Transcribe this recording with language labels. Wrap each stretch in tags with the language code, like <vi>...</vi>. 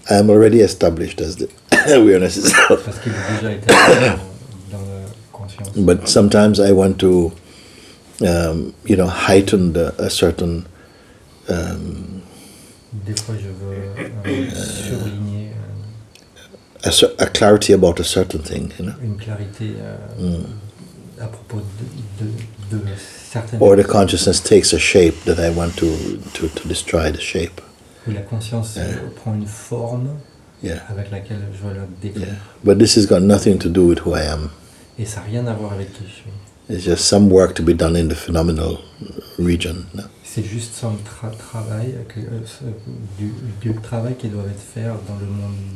<en>I am already established as the awareness itself.</en> <fr>Parce qu'il est déjà établi dans la conscience.</fr> <en>But sometimes I want to, you know, heighten the, a certain.</en> <fr>Des fois, je veux surligner.</fr> <en>A clarity about a certain thing, you know.</en> <fr>Une clarité mm. à propos de certaines.</fr> <en>Or the consciousness takes a shape that I want to destroy the shape.</en> <fr>Ou la conscience yeah. prend une forme</fr> <en>yeah.</en> <fr>avec laquelle je veux la détruire.</fr> <en>Yeah. But this has got nothing to do with who I am.</en> <fr>Et ça n'a rien à voir avec qui je suis.</fr> <en>It's just some work to be done in the phenomenal region. No?</en> <fr>C'est juste un travail que, du travail qui doit être fait dans le monde.</fr>